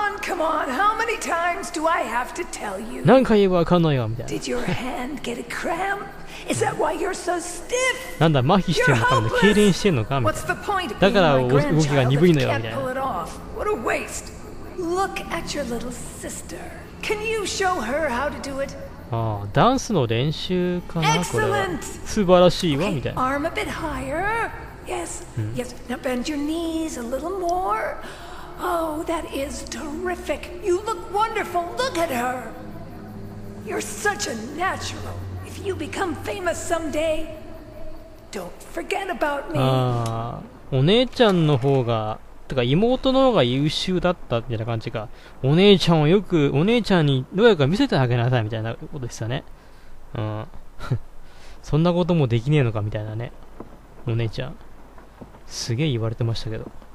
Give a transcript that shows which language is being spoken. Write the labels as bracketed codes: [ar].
[en] come on, how many times do I have to tell you? [ja] 何回言えばわかんないよみたいな。 [en] Did your hand get a cramp? Is that why you're so stiff? [ja] なんだ、麻痺してんのかみたいな。痙攣してんのかみたいな。だから動きが鈍いのよみたいな。 [en] What a waste. Look at your little sister. Can you show her how to do it? [ja] ああ、ダンスの練習かな、これは。素晴らしいわ、みたいな。 [en] Arm a bit higher. Yes, yes. Now bend your knees a little more. Oh, that is terrific. You look wonderful. Look at her. You're such a natural. If you become famous someday, don't forget about me. [ja] ああ、お姉ちゃんの方が、とか妹の方が優秀だったみたいな感じか。お姉ちゃんをよく、お姉ちゃんにどうやら見せてあげなさいみたいなことですよね。うん。そんなこともできねえのかみたいなね。お姉ちゃん。すげえ言われてましたけど。